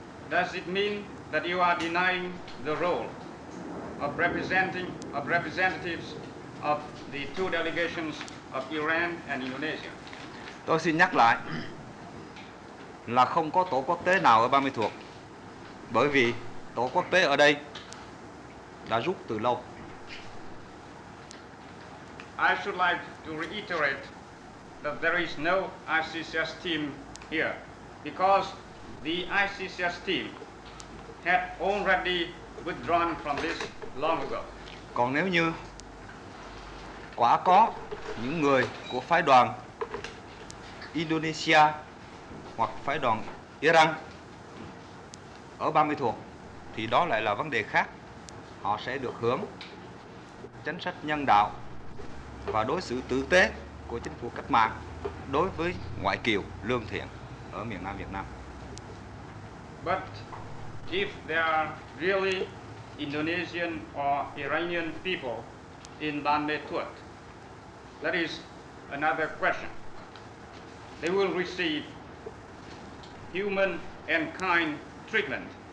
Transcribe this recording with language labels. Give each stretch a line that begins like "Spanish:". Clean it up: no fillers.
English: Does it mean that you are denying the role of representing of representatives of the two delegations of Iran and Indonesia?
Vietnamese: Tôi xin nhắc lại là không có tổ quốc tế nào ở Ban Mê Thuột, bởi vì tổ quốc tế ở đây đã rút từ lâu.
English: I should like to reiterate that there is no ICCS team here because the ICCS team had already withdrawn from this long ago.
Vietnamese: Còn nếu như quả có những người của phái đoàn Indonesia hoặc phái đoàn Iran ở Ban Mê Thuột thì đó lại là vấn đề khác. Họ sẽ được hưởng chính sách nhân đạo và đối xử tử tế của chính phủ cách mạng đối với ngoại kiều lương thiện ở miền Nam Việt Nam.
English: But if there are really Indonesian or Iranian people in Ban Mê Thuột, that is another question. They will receive human and kind treatment